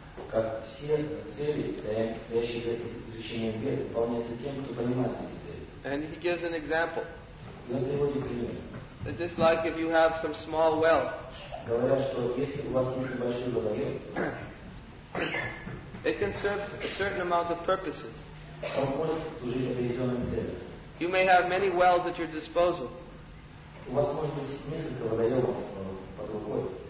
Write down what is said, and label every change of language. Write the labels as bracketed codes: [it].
[ru] Как все цели, стоящие за изучением веды, выполняются тем, кто понимает эти цели. [en] And he gives an example. [ru] И он приводит пример. [en] It's just like if you have some small well. [ru] Говорят, что если у вас есть небольшой водоем, [en] it can serve a certain amount of purposes. [ru] Он может служить определенным целям. [en] You may have many wells at your disposal. [ru] У вас может быть несколько водоемов под рукой.